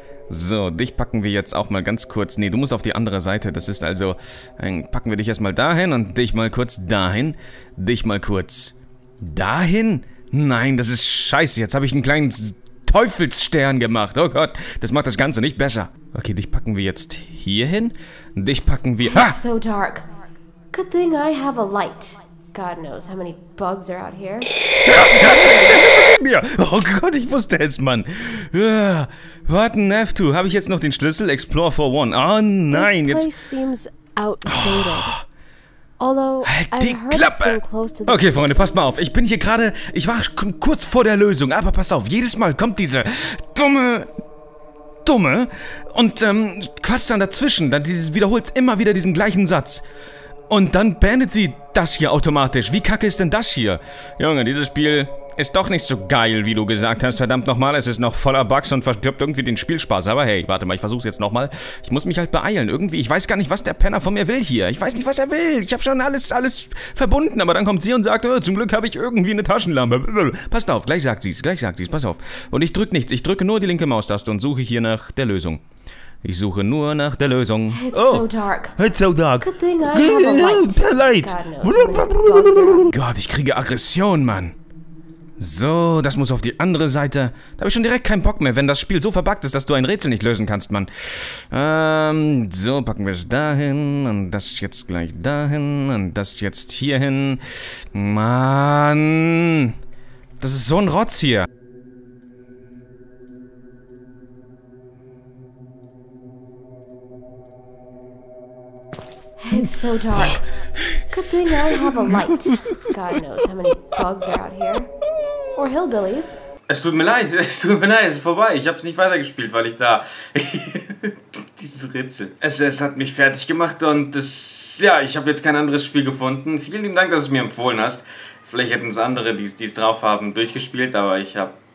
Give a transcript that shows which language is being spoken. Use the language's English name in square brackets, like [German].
[German] So, dich packen wir jetzt auch mal ganz kurz. Nee, du musst auf die andere Seite. Das ist also... Packen wir dich erstmal dahin und dich mal kurz dahin. Dich mal kurz dahin? Nein, das ist scheiße. Jetzt habe ich einen kleinen Teufelsstern gemacht. Oh Gott, das macht das Ganze nicht besser. Okay, dich packen wir jetzt hier hin. Dich packen wir... [English] Ha! So dark. Good thing I have a light. God knows how many bugs are out here. [German] Oh Gott, ich wusste es, Mann. [English] What an F2. [German] Habe ich jetzt noch den Schlüssel? [English] Explore for one. [German] Oh nein, jetzt... [English] This place seems outdated. Although, [German] halt die Klappe! Okay, Freunde, passt mal auf. Ich bin hier gerade... Ich war kurz vor der Lösung. Aber pass auf, jedes Mal kommt diese dumme... Und quatscht dann dazwischen. Dann wiederholt immer wieder diesen gleichen Satz. Und dann beendet sie das hier automatisch. Wie kacke ist denn das hier? Junge, dieses Spiel ist doch nicht so geil, wie du gesagt hast. Verdammt nochmal, es ist noch voller Bugs und verstirbt irgendwie den Spielspaß. Aber hey, warte mal, ich versuch's jetzt nochmal. Ich muss mich halt beeilen. Irgendwie, ich weiß gar nicht, was der Penner von mir will hier. Ich weiß nicht, was er will. Ich habe schon alles verbunden. Aber dann kommt sie und sagt, oh, zum Glück habe ich irgendwie eine Taschenlampe. Passt auf, gleich sagt sie's, pass auf. Und ich drücke nichts, ich drücke nur die linke Maustaste und suche hier nach der Lösung. Ich suche nur nach der Lösung. [English] It's so dark. Good thing I have a light. [German] Gott, ich kriege Aggression, Mann. So, das muss auf die andere Seite. Da habe ich schon direkt keinen Bock mehr, wenn das Spiel so verbuggt ist, dass du ein Rätsel nicht lösen kannst, Mann. So, packen wir es dahin und das jetzt gleich dahin und das jetzt hierhin. Mann, das ist so ein Rotz hier. [English] It's so dark. Good thing I have a light. God knows how many bugs are out here. Or hillbillies. [German] Es tut mir leid, es ist vorbei. Ich hab's nicht weitergespielt, weil ich da... Dieses Rätsel. Es hat mich fertig gemacht und das... Ja, ich habe jetzt kein anderes Spiel gefunden. Vielen lieben Dank, dass du es mir empfohlen hast. Vielleicht hätten es andere, die es drauf haben, durchgespielt, aber ich hab...